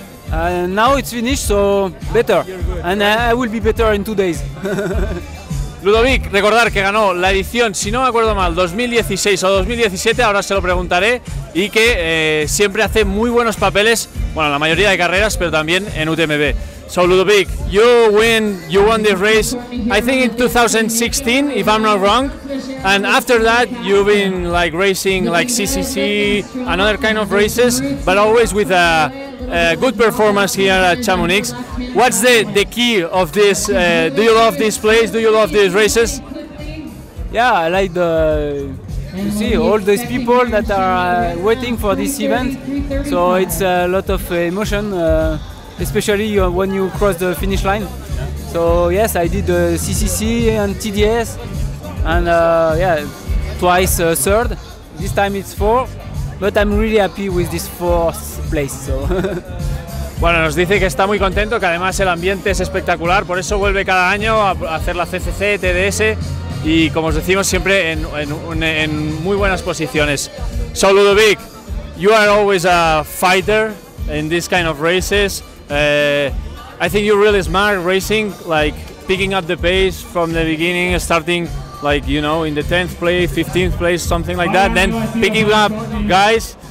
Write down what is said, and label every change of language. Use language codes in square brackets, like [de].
[en] Now it's finished, so better. And I will be better in 2 days. [es] Ludovic, recordar que ganó la edición, si no me acuerdo mal, 2016 o 2017, ahora se lo preguntaré, y que siempre hace muy buenos papeles, bueno, la mayoría de carreras, pero también en UTMB. [en] So Ludovic, you won this race, I think in 2016, if I'm not wrong, and after that you've been like racing like CCC, another kind of races, but always with a good performance here at Chamonix. What's the key of this? Do you love this place? Do you love these races? Yeah, I like the, you see, all these people that are waiting for this event. So it's a lot of emotion, especially when you cross the finish line. So yes, I did the CCC and TDS, and twice third. This time it's fourth, but I'm really happy with this fourth place. So. [es] Bueno, nos dice que está muy contento, que además el ambiente es espectacular, por eso vuelve cada año a hacer la CCC, TDS y, como os decimos, siempre en muy buenas posiciones. [en] So Ludovic, you are always a fighter in this kind of races. I think you're really smart racing, like picking up the pace from the beginning, starting like, you know, in the 10th place, 15th place, something like that, then picking up guys.